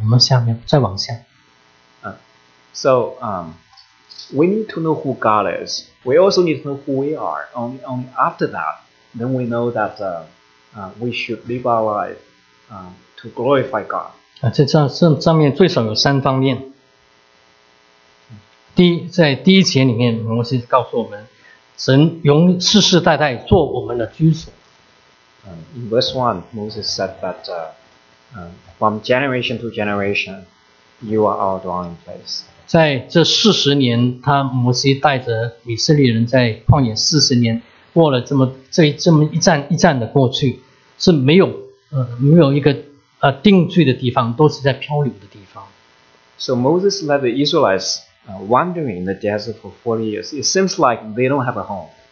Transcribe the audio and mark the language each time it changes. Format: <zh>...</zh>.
<zh>摩西在最后几节告诉我们要过一个敬服侍神、荣耀神的人生。我们下面再往下。</zh> <en>So we need to know who God is. We also need to know who we are. Only after that, then we know that we should live our life to glorify God.</en> <zh>这上面最少有三方面。第一，在第一节里面，摩西告诉我们。 神永世世代代做我们的居所。</zh> <en>In verse 1, Moses said that from generation to generation, you are our dwelling place.</en> <zh>在这40年, 他摩西带着以色列人在旷野40年, 过了这么一站一站的过去, 是没有, 没有一个, 定居的地方, 都是在漂流的地方。</zh> <en>So Moses led the Israelites wandering in the desert for 40 years. It seems like they don't have a home.</en>